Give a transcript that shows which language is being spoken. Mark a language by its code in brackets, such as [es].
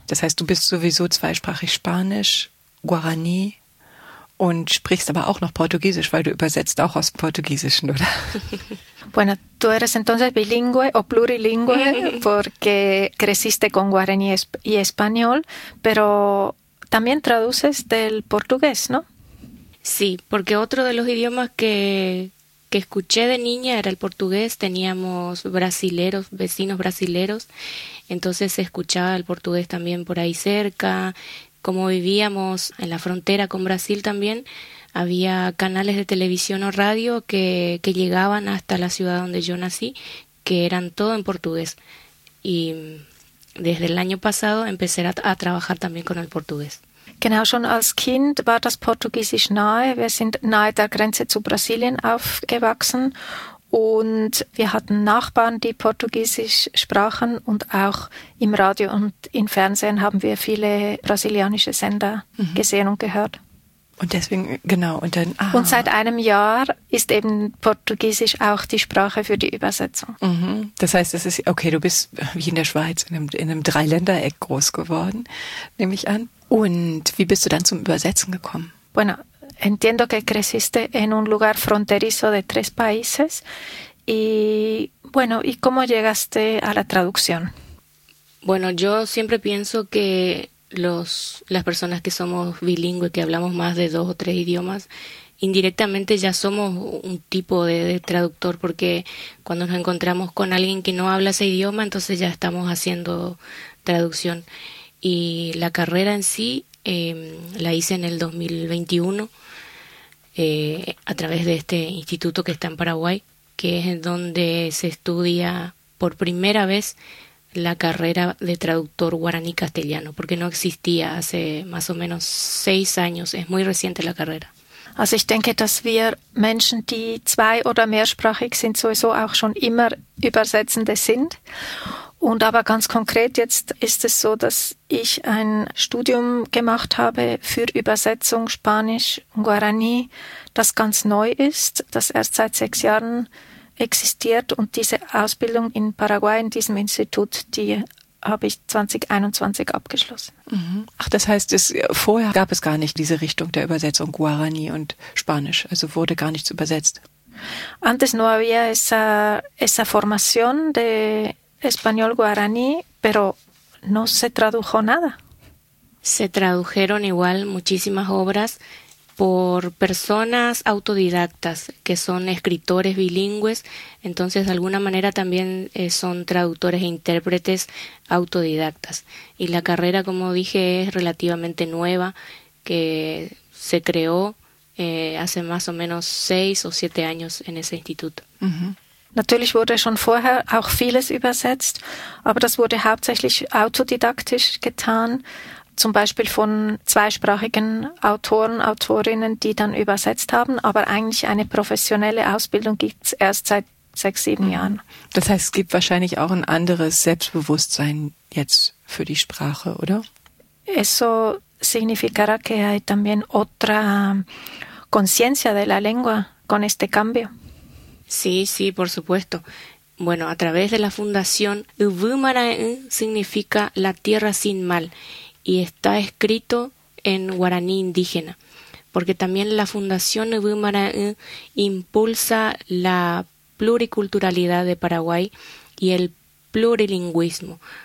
[de] Das heißt, du bist sowieso zweisprachig Spanisch, Guarani und sprichst aber auch noch Portugiesisch, weil du übersetzt auch aus Portugiesischen, oder? [es] Bueno, tú eres entonces bilingüe o plurilingüe porque creciste con guaraní y español, pero también traduces del portugués, ¿no? Sí, porque otro de los idiomas que escuché de niña era el portugués. Teníamos brasileros, vecinos brasileros, entonces se escuchaba el portugués también por ahí cerca. Como vivíamos en la frontera con Brasil también, había canales de televisión o radio que llegaban hasta la ciudad donde yo nací, que eran todo en portugués. Y desde el año pasado empecé a trabajar también con el portugués. [de] Genau, schon als Kind war das Portugiesisch nahe. Wir sind nahe der Grenze zu Brasilien aufgewachsen und wir hatten Nachbarn, die Portugiesisch sprachen und auch im Radio und im Fernsehen haben wir viele brasilianische Sender gesehen und gehört. Und deswegen, genau, und dann. Aha. Und seit einem Jahr ist eben Portugiesisch auch die Sprache für die Übersetzung. Das heißt, es ist, okay, du bist wie in der Schweiz in einem Dreiländereck groß geworden, nehme ich an. Und wie bist du dann zum Übersetzen gekommen? [es] Bueno, entiendo que creciste en un lugar fronterizo de 3 países. Y bueno, ¿y cómo llegaste a la traducción? Bueno, yo siempre pienso que las personas que somos bilingües, que hablamos más de 2 o 3 idiomas, indirectamente ya somos un tipo de traductor, porque cuando nos encontramos con alguien que no habla ese idioma, entonces ya estamos haciendo traducción. Y la carrera en sí la hice en el 2021 a través de este instituto que está en Paraguay, que es donde se estudia por primera vez la carrera de traductor guaraní-castellano, porque no existía hace más o menos 6 años. Es muy reciente la carrera. [de] Also ich denke, dass wir Menschen, die 2 oder mehrsprachig sind, sowieso auch schon immer Übersetzende sind. Und aber ganz konkret jetzt ist es so, dass ich ein Studium gemacht habe für Übersetzung Spanisch und Guarani, das ganz neu ist, das erst seit 6 Jahren existiert. Und diese Ausbildung in Paraguay in diesem Institut, die habe ich 2021 abgeschlossen. Ach, das heißt, vorher gab es gar nicht diese Richtung der Übersetzung Guarani und Spanisch, also wurde gar nichts übersetzt. [es] Antes no había esa formación de español guaraní, pero no se tradujo nada. Se tradujeron igual muchísimas obras por personas autodidactas que son escritores bilingües, entonces de alguna manera también son traductores e intérpretes autodidactas. Y la carrera, como dije, es relativamente nueva, que se creó hace más o menos 6 o 7 años en ese instituto. [de] Natürlich wurde schon vorher auch vieles übersetzt, aber das wurde hauptsächlich autodidaktisch getan, zum Beispiel von zweisprachigen Autoren, Autorinnen, die dann übersetzt haben. Aber eigentlich eine professionelle Ausbildung gibt es erst seit 6, 7 Jahren. Das heißt, es gibt wahrscheinlich auch ein anderes Selbstbewusstsein jetzt für die Sprache, oder? [es] Eso significará que hay también otra conciencia de la lengua con este cambio. Sí, sí, por supuesto. Bueno, a través de la fundación, Uvumara'en significa la tierra sin mal y está escrito en guaraní indígena, porque también la fundación Uvumara'en impulsa la pluriculturalidad de Paraguay y el plurilingüismo.